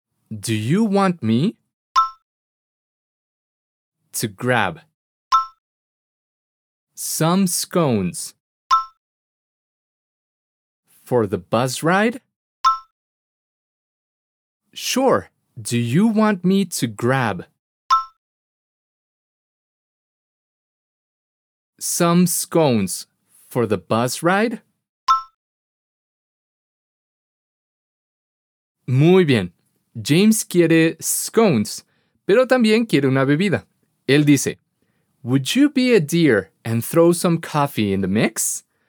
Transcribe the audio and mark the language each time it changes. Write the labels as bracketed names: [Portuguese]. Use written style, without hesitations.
[English] Do you want me to grab some scones for the bus ride? Sure. Do you want me to grab some scones for the bus ride? [Spanish] Muy bien. James quiere scones, pero también quiere una bebida. Él dice, [English] Would you be a dear and throw some coffee in the mix?